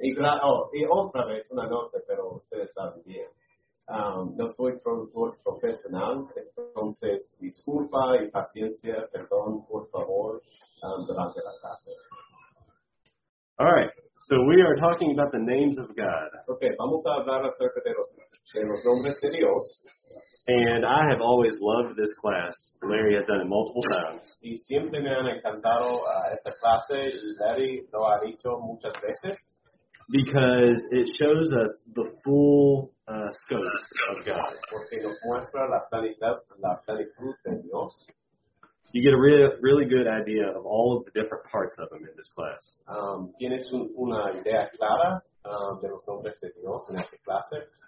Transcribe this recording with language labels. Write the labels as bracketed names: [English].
[Spanish] Y otra vez una nota, pero ustedes saben bien. No soy traductor profesional, entonces disculpa y paciencia, perdón, por favor, durante la clase. [English] All right, so we are talking about the names of God. [Spanish] Okay, vamos a hablar acerca de los nombres de Dios. [English] And I have always loved this class. Larry has done it multiple times. [Spanish] Y siempre me han encantado esa clase. Larry lo ha dicho muchas veces. [English] Because it shows us the full scope of God. [Spanish] Porque nos muestra la plenitud de Dios. [English] You get a really, really good idea of all of the different parts of Him in this class. [Spanish] Tienes una idea clara de los nombres de Dios en esta clase.